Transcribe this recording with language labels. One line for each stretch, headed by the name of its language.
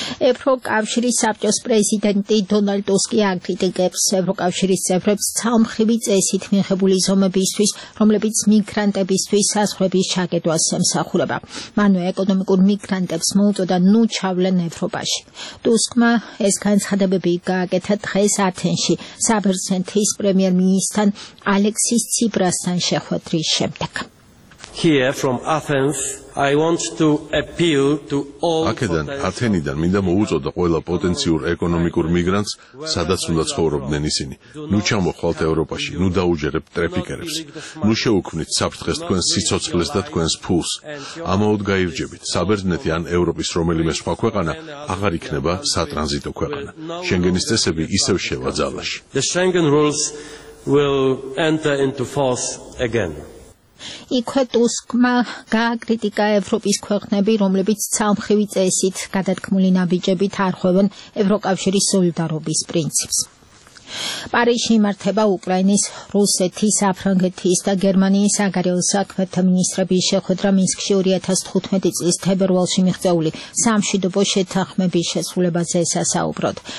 Georgian: ევროკავშირის საბჭოს პრეზიდენტი დონალდ ტუსკი აკრიტიკებს ევროკავშირის წევრებს ცალმხრივი წესით მიღებული ზომებისთვის, რომლებიც მიგრანტებისთვის საზღვრების ჩაკეტვას ემსახურება. მანვე ეკონომიკურ მიგრანტებს მოუწოდა ნუ ჩავლენ ევროპაში. ტუსკმა ეს განცხადებები გააკეთა დღეს ათენში საბერძნეთის პრემიერ-მინისტრთან ალექსის ციპრასთან შეხვედრის შემდეგ.
English: Here from Athens I want to appeal to all
Georgian: აქედან ათენიდან მინდა მოუწოდა ყველა პოტენციურ ეკონომიკურ მიგრანტს, სადაც უნდა ცხოვრობდნენ ისინი. ნუ ჩამოხვალთ ევროპაში, ნუ დაუჯერებთ ტრაფიკერებს. ნუ შეუქმნით საფრთხეს თქვენს სიცოცხლეს და თქვენს ფულს. ამაოდ გაირჯებით. საბერძნეთი ან ევროპის რომელიმე სხვა ქვეყანა აღარ იქნება სატრანზიტო ქვეყანა. შენგენის წესები ისევ შევა ძალაში.
English: The Schengen rules will enter into force again.
Georgian: იქვე ტუსკმა გააკრიტიკა ევროპის ქვეყნები, რომლებიც ცალმხრივი წესით გადადგმული ნაბიჯებით არღვევენ ევროკავშირის სოლიდარობის პრინციპს. პარიში იმართება უკრაინის, რუსეთის, საფრანგეთის და გერმანიის საგარეო საქმეთა მინისტრების შეხვედრა მინსკში 2015 წლის თებერვალში მიღწეული სამშვიდობო შეთანხმების შესრულებაზე სასაუბროთ.